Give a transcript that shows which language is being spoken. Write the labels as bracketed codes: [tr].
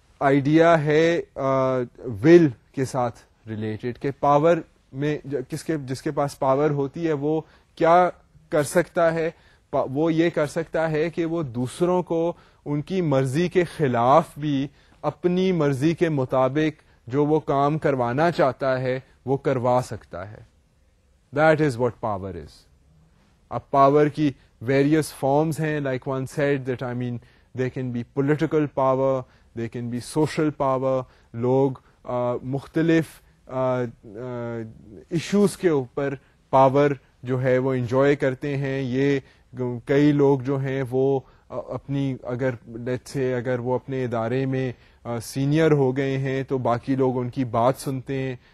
[ur] Idea ہے will کے ساتھ related, کہ پاور میں جس کے پاس پاور ہوتی ہے وہ کیا کر سکتا ہے, وہ یہ کر سکتا ہے کہ وہ دوسروں کو ان کی مرضی کے خلاف بھی اپنی مرضی کے مطابق جو وہ کام کروانا چاہتا ہے وہ کروا سکتا ہے. [en] That is what power is. [ur] اب پاور کی ویریئس فارمز ہیں, [en] Like one said that I mean they can be political power, they can be social power. [ur] لوگ مختلف ایشوز کے اوپر پاور جو ہے وہ انجوائے کرتے ہیں. یہ کئی لوگ جو ہیں وہ اپنی اگر لیٹس سے اگر وہ اپنے ادارے میں سینئر ہو گئے ہیں تو باقی لوگ ان کی بات سنتے ہیں.